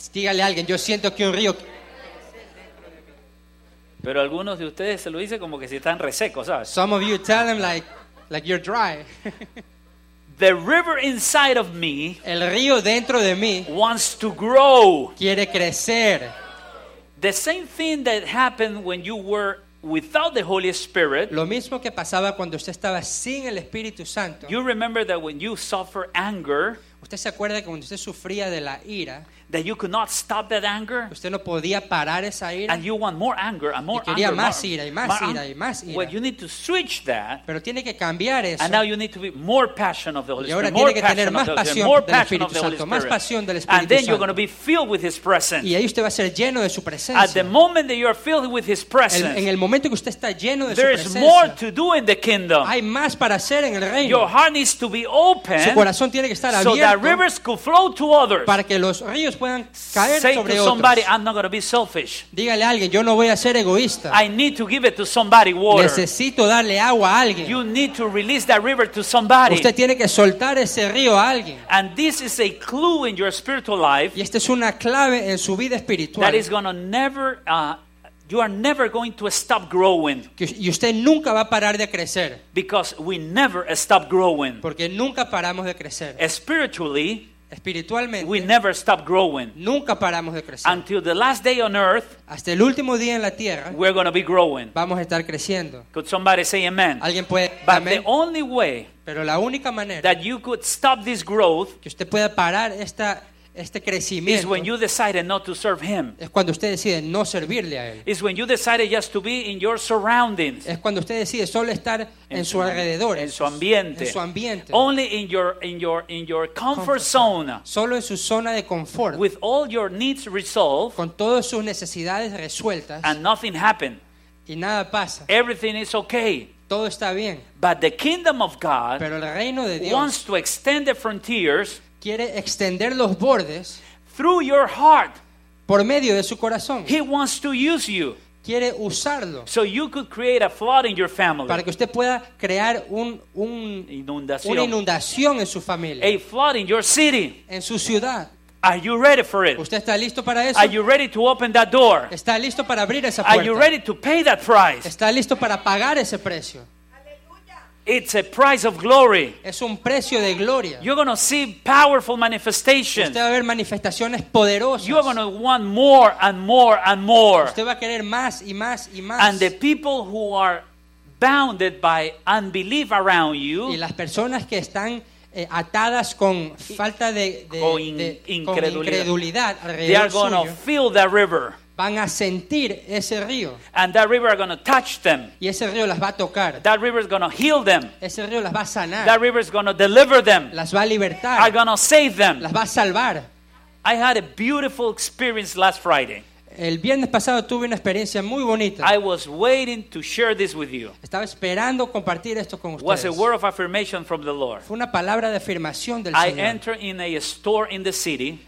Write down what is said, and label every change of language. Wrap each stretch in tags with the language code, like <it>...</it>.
<es>Dígale a alguien, yo siento que un río. Pero algunos de ustedes se lo dicen como que si están resecos, ¿sabes?</es> <en>Some of you tell them like you're dry. The river inside of me,</en> <es>el río dentro de mí,</es> <en>wants to grow.</en> <es>Quiere crecer.</es> <en>The same thing that happened when you were without the Holy Spirit.</en> <es>Lo mismo que pasaba cuando usted estaba sin el Espíritu Santo.</es> <en>You remember that when you suffer anger,</en> <es>¿Usted se acuerda que cuando usted sufría de la ira,</es> <en>that you could not stop that anger,</en> <es>usted no podía parar esa ira,</es> <en>and you want more anger and more</en> <es>y quería</es> <en>anger,</en> <es>más ira y más ira y más ira?</es> <en>Well, you need to switch that,</en> <es>pero tiene que cambiar eso.</es> <en>And now you need to be more passionate of the Holy Spirit.</en> <es>Y ahora</es> <en>more</en> <es>tiene que tener más pasión del Espíritu Santo, más pasión del Espíritu Santo.</es> <en>And then you're going to be filled with His presence.</en> <es>Y ahí usted va a ser lleno de su presencia.</es> <en>At the moment that you are filled with His presence,</en> <es>en el momento que usted está lleno de</es> <en>there</en> <es>su presencia,</es> <en>is more to do in the kingdom.</en> <es>Hay más para hacer en el reino.</es> <en>Your heart needs to be open,</en> <es>su corazón tiene que estar abierto.</es> <en>So that rivers could flow to others.</en> <es>Para que los ríos puedan caer</es> <en>Say</en> <es>sobre</es> <en>to somebody,</en> <es>otros.</es> <en>I'm not going to be selfish.</en> <es>Dígale a alguien, yo no voy a ser egoísta.</es> <en>I need to give it to somebody water.</en> <es>Necesito darle agua a alguien.</es> <en>You need to release that river to somebody.</en> <es>Usted tiene que soltar ese río a alguien.</es> <en>And this is a clue in your spiritual life.</en> <es>Y esta es una clave en su vida espiritual.</es> <en>That is going to never you are never going to stop growing.</en> <es>Y usted nunca va a parar de crecer.</es> <en>Because we never stop growing.</en> <es>Porque nunca paramos de crecer.</es> <en>Spiritually,</en> <es>espiritualmente,</es> <en>we never stop growing.</en> <es>Nunca paramos de crecer.</es> <en>Until the last day on earth,</en> <es>hasta el último día en la tierra,</es> <en>we're going to be growing.</en> <es>Vamos a estar creciendo.</es> <en>Could somebody say amen?</en> <es>¿Alguien puede?</es> <en>But</en> <es>amen.</es> <en>The only way,</en> <es>pero la única manera,</es> <en>that you could stop this growth,</en> <es>que usted pueda parar esta este crecimiento,</es> <en>is when you decided not to serve him.</en> <es>Es cuando usted decide no servirle a él.</es> <en>Is when you decided just to be in your surroundings.</en> <es>Es cuando usted decide solo estar en su alrededor, en su ambiente. En su ambiente.</es> <en>Only in your comfort zone.</en> <es>Solo en su zona de confort.</es> <en>With all your needs resolved.</en> <es>Con todas sus necesidades resueltas.</es> <en>And nothing happened.</en> <es>Y nada pasa.</es> <en>Everything is okay.</en> <es>Todo está bien.</es> <en>But the kingdom of God,</en> <es>pero el reino de Dios,</es> <en>wants to extend the frontiers.</en> <es>Quiere extender los bordes</es> <en>through your heart,</en> <es>por medio de su corazón.</es> <en>He wants to use you,</en> <es>quiere usarlo,</es> <en>so you could create a flood in your family,</en> <es>para que usted pueda crear una inundación en su familia,</es> <en>a flood in your city,</en> <es>en su ciudad.</es> <en>Are you ready for it?</en> <es>¿Usted está listo para eso?</es> <en>Are you ready to open that door?</en> <es>¿Está listo para abrir esa puerta?</es> <en>Are you ready to pay that price?</en> <es>¿Está listo para pagar ese precio?</es> <en>It's a price of glory.</en> <es>Es un precio de gloria.</es> <en>You're going to see powerful manifestations.</en> <es>Usted va a ver manifestaciones poderosas.</es> <en>You're going to want more and more and more.</en> <es>Usted va a querer más y más y más.</es> <en>And the people who are bounded by unbelief around you,</en> <es>y las personas que están atadas con falta de incredulidad alrededor,</es> <en>they are going to feel that river.</en> <es>Van a sentir ese río.</es> <en>And that river are going to touch them.</en> <es>Y ese río las va a tocar.</es> <en>That river is going to heal them.</en> <es>Ese río las va a sanar.</es> <en>That river is going to deliver them.</en> <es>Las va a libertar.</es> <en>Are going to save them.</en> <es>Las va a salvar.</es> <en>I had a beautiful experience last Friday.</en> <es>El viernes pasado tuve una experiencia muy bonita.</es> <en>I was waiting to share this with you.</en> <es>Estaba esperando compartir esto con ustedes.</es> <en>Was a word of affirmation from the Lord.</en> <es>Fue una palabra de afirmación del Señor.</es> <en>I entered in a store in the city.</en>